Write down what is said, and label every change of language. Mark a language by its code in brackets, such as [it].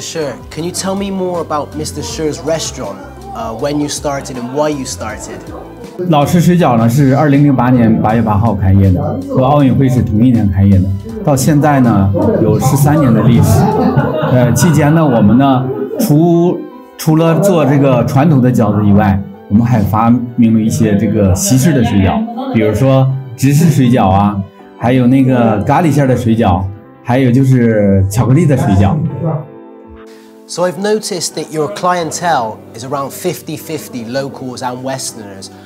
[en] Schur, can you tell me more about Mr. Schur's restaurant? When you started and why you started? [zh] 老石水饺呢是2008年8月8号开业的，和奥运会是同一年开业的。到现在呢有13年的历史。期间呢我们呢除了做这个传统的饺子以外，我们还发明了一些这个西式的水饺，比如说芝士水饺啊，还有那个咖喱馅的水饺，还有就是巧克力的水饺。 [en] So I've noticed that your clientele is around 50-50 locals and Westerners.